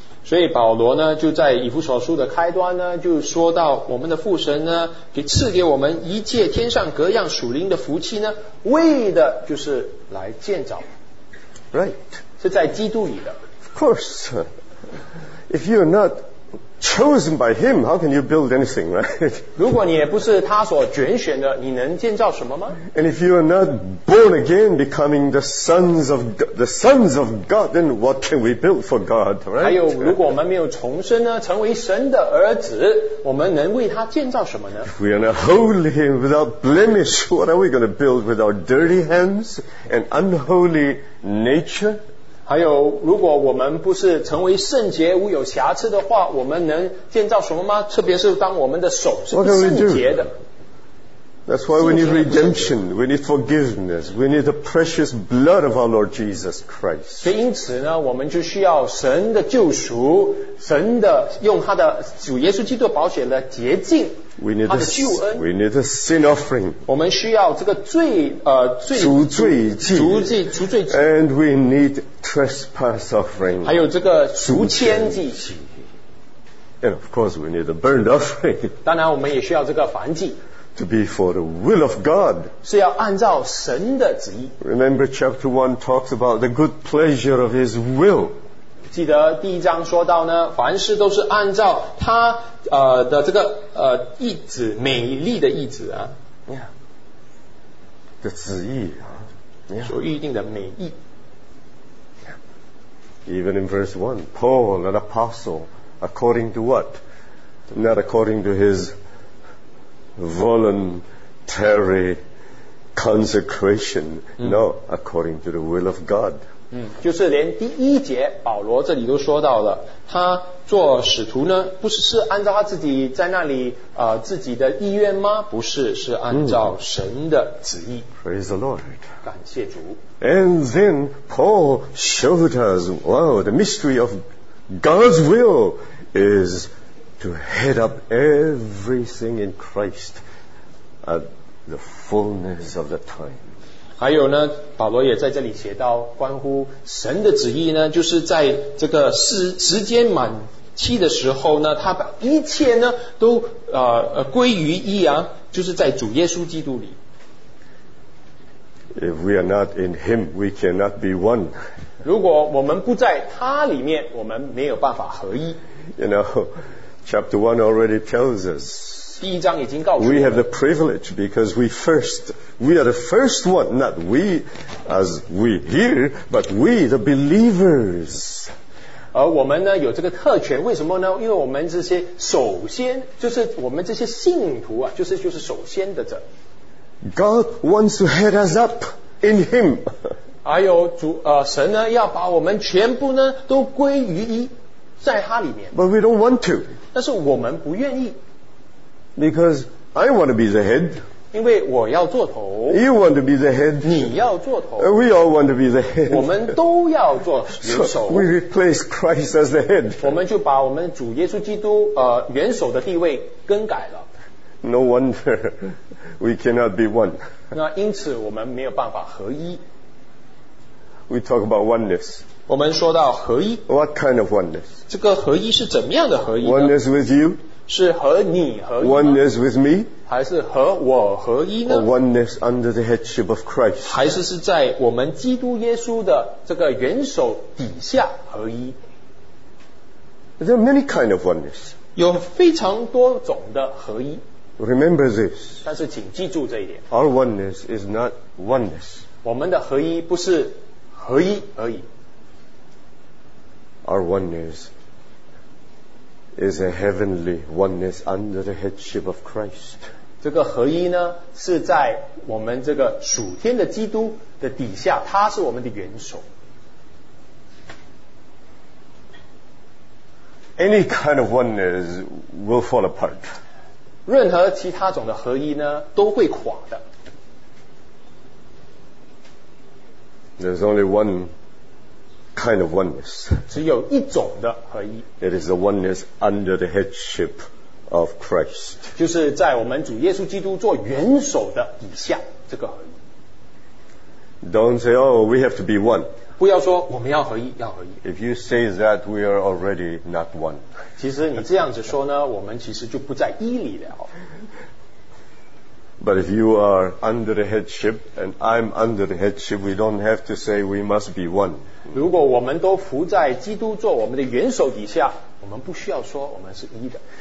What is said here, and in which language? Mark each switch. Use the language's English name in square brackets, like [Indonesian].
[Chinese] 所以保罗呢就在以弗所书的开端呢就说到我们的父神呢给赐给我们一切天上各样属灵的福气呢为的就是来建造。 [English] Right. [Chinese] 是在基督里的。 [English] Of course. If you're not chosen by him, how can you build anything, right? [Chinese] 如果你也不是他所拣选的，你能建造什么吗？ [English] And if you are not born again, becoming the sons of God, then what can we build for God, right? [Chinese] 还有，如果我们没有重生呢，成为神的儿子，我们能为他建造什么呢？ [English] If we are not holy and without blemish, what are we going to build with our dirty hands and unholy nature? [Chinese] 还有如果我们不是成为圣洁无有瑕疵的话我们能建造什么吗特别是当我们的手是圣洁的 [English] That's why we need redemption we need forgiveness we need the precious blood of our Lord Jesus Christ [Chinese] 所以因此呢我们就需要神的救赎神的用他的主耶稣基督宝血的洁净 [English] We need, [Chinese] 他的救恩 [English] we need a sin offering. [Chinese] 我们需要这个罪罪赎罪祭赎罪赎罪祭 [English] and we need trespass offering. [Chinese] 还有这个赎愆祭 [English] and of course we need a burnt offering. [Chinese] 当然我们也需要这个燔祭 [English] to be for the will of God. [Chinese] 是要按照神的旨意 [English] Remember chapter 1 talks about the good pleasure of his will. [Chinese] 记得第一章说到呢，凡事都是按照他的这个意志，美丽的意志啊，的旨意啊，所预定的美意。 [English] Even in verse 1, Paul, an apostle, according to what? Not according to his voluntary consecration, no, according to the will of God. [Chinese] 就是连第一节保罗这里都说到了，他做使徒呢，不是是按照他自己在那里自己的意愿吗？不是，是按照神的旨意。 [English] Praise the Lord. [Chinese] 感谢主。 [English] And then Paul showed us, wow, the mystery of God's will is to head up everything in Christ at the fullness of the time. [Chinese] 还有呢，保罗也在这里写到关乎神的旨意呢，就是在这个时间满期的时候呢，他把一切呢都归于一啊，就是在主耶稣基督里。 [English] If we are not in Him, we cannot be one. [Chinese] 如果我们不在他里面，我们没有办法合一。 [English] You know, chapter 1 already tells us. [Chinese] 第一章已经告诉我们。 [English] We have the privilege because we are the first one, not we as we here, but we the believers. [Chinese] 而我们呢有这个特权，为什么呢？因为我们这些首先，就是我们这些信徒啊，就是首先的者。 [English] God wants to head us up in Him. [Chinese] 还有主神呢，要把我们全部呢都归于一，在他里面。 [English] But we don't want to. [Chinese] 但是我们不愿意。 [English] Because I want to be the head. [Chinese] 因为我要做头。 [English] You want to be the head. [Chinese] 你要做头。 [English] We all want to be the head. [Chinese] 我们都要做元首。 [English] So、we replace Christ as the head. [Chinese] 我们就把我们主耶稣基督元首的地位更改了。 [English] No wonder we cannot be one. [Chinese] 那因此我们没有办法合一。 [English] We talk about oneness. [Chinese] 我们说到合一。 [English] What kind of oneness? [Chinese] 这个合一是怎么样的合一呢？ [English] Oneness with you? [Chinese] 是和你合一。 [English] Oneness with me? [Chinese] 还是和我合一呢？ [English] Or oneness under the headship of Christ? [Chinese] 还是在我们基督耶稣的这个元首底下合一？ [English] There are many kind of oneness. [Chinese] 有非常多种的合一。 [English] Remember this. [Chinese] 但是请记住这一点。 [English] Our oneness is not oneness. [Chinese] 我们的合一不是合一而已。 [English] Our oneness is a heavenly oneness under the headship of Christ. [Chinese] 这个合一呢，是在我们这个属天的基督的底下，他是我们的元首。 [English] Any kind of oneness will fall apart. [Chinese] 任何其他种的合一呢，都会垮的。 [English] There's only one kind of oneness. [Chinese] 只有一种的合一。 [English] It is the oneness under the headship of Christ. [Chinese] 就是在我们主耶稣基督做元首的底下，这个合一。 [English] Don't say, oh, we have to be one. [Chinese] 不要说我们要合一，要合一。 [English] If you say that, we are already not one. [Chinese] 其实你这样子说呢，我们其实就不在一里了。 [English] But if you are under the headship and I'm under the headship, we don't have to say we must be one. [Chinese] 如果我们都服在基督做我们的元首底下，我们不需要说我们是一的。